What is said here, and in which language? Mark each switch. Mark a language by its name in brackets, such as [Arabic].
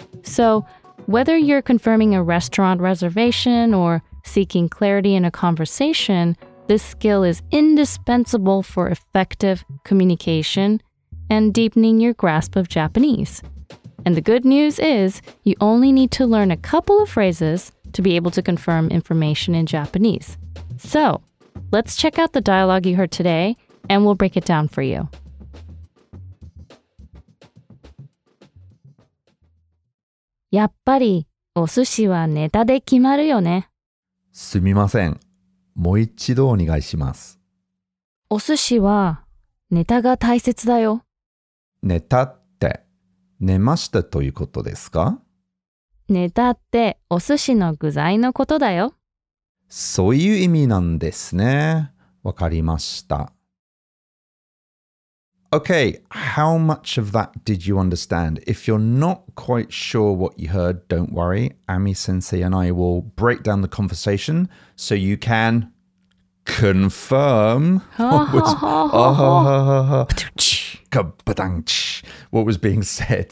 [English] So, whether you're confirming a restaurant reservation or seeking clarity in a conversation, this skill is indispensable for effective communication and deepening your grasp of Japanese. And the good news is, you only need to learn a couple of phrases to be able to confirm information in Japanese. So,Let's check out the dialogue you heard today, and we'll break it down for you. [Japanese] やっぱりお寿司はネタで決まるよね。すみません。もう一度お願いします。お寿司はネタが大切だよ。ネタって寝ましたということですか？ネタってお寿司の具材のことだよ。そういう意味なんですね。わかりました。 [English] Okay, how much of that did you understand? If you're not quite sure what you heard, don't worry. Ami Sensei and I will break down the conversation so you can confirm what was being said.